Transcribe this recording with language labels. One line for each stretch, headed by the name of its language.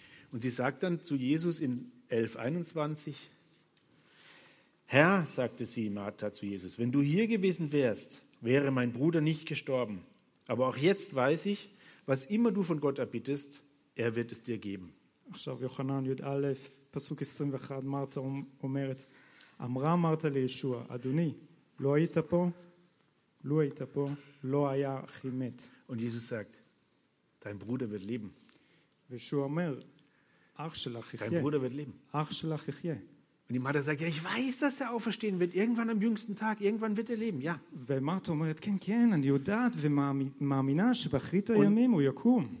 German: Und sie sagt dann zu Jesus in 11,21, Herr, sagte sie, Martha, zu Jesus, wenn du hier gewesen wärst, wäre mein Bruder nicht gestorben. Aber auch jetzt weiß ich, was immer du von Gott erbittest, er wird es dir geben.
Hebrew: עכשיו יוחנן י' א' פסוק 21 מרתה אומרת אמרה מרתה לישוע אדוני לא היית פה לו היית פה לא היה אחי מת
German: und Jesus sagt dein Bruder wird leben
Hebrew: וישוע אומר אח שלך יחיה
German: dein Bruder wird leben
Hebrew: אח שלך יחיה
German: und die Martha sagt ja ich weiß dass er auferstehen wird irgendwann am jüngsten Tag irgendwann wird er leben ja
Hebrew: ומרתה אומרת כן אני יודעת ומאמינה שבאחרית הימים הוא יקום